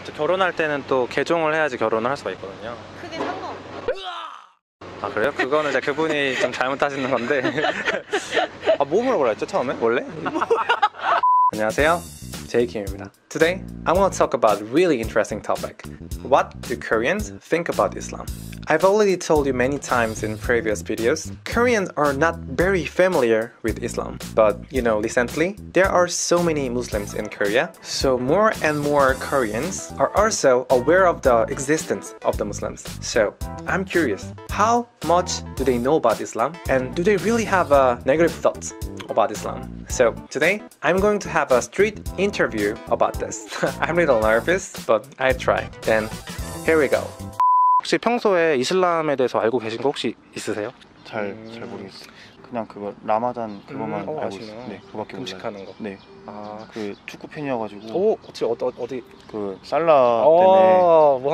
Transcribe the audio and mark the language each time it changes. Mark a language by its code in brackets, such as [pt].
[ko] 결혼할 때는 또 개종을 해야지 결혼을 할 수가 있거든요. 크게 상관없어. 아 그래요? 그거는 이제 그분이 좀 잘못하시는 건데. 아 뭐 물어보라 했죠 처음에? 원래? 안녕하세요. 제이킴입니다. [en] Today, I want to talk about a really interesting topic. What do Koreans think about Islam? I've already told you many times in previous videos, Koreans are not very familiar with Islam. But, you know, recently, there are so many Muslims in Korea, so more and more Koreans are also aware of the existence of the Muslims. So, I'm curious, how much do they know about Islam? And do they really have a negative thought about Islam? So, today, I'm going to have a street interview about this. I'm a little nervous, but I try. Then, here we go. [ko] 혹시 평소에 이슬람에 대해서 알고 계신 거 혹시 있으세요? 잘 모르겠어요. 그냥 그거 라마단 그거만 알고 있어요. 네, 그밖에 몰라요. 음식하는 거. 네. 아, 그 축구 팬이어가지고. 오, 어찌 어디 그 살라 때문에.